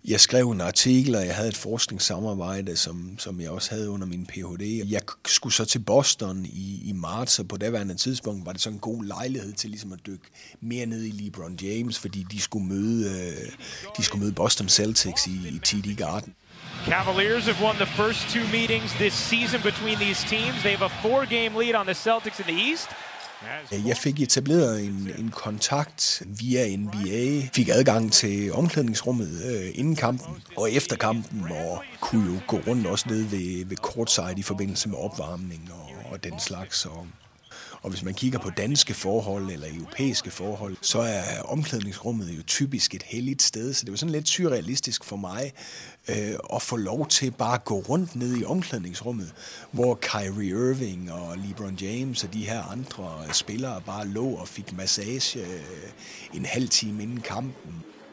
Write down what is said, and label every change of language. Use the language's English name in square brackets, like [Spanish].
[Danish] Jeg skrev en artikel, og jeg havde et forskningssamarbejde, som jeg også havde under min Ph.D. Jeg skulle så til Boston i marts, og på daværende tidspunkt var det så en god lejlighed til ligesom at dykke mere ned i LeBron James, fordi de skulle møde Boston Celtics i TD Garden. [English] Cavaliers have won the first two meetings this season between these teams. They have a 4-game lead on the Celtics in the East. [Danish] Jeg fik etableret en kontakt via NBA, fik adgang til omklædningsrummet inden kampen og efter kampen, og kunne jo gå rundt også ned ved courtside i forbindelse med opvarmning og den slags. Og hvis man kigger på danske forhold eller europæiske forhold, så er omklædningsrummet jo typisk et helligt sted, så det var sådan lidt surrealistisk for mig at få lov til bare at gå rundt ned i omklædningsrummet, hvor Kyrie Irving og LeBron James og de her andre spillere bare lå og fik massage en halv time inden kampen.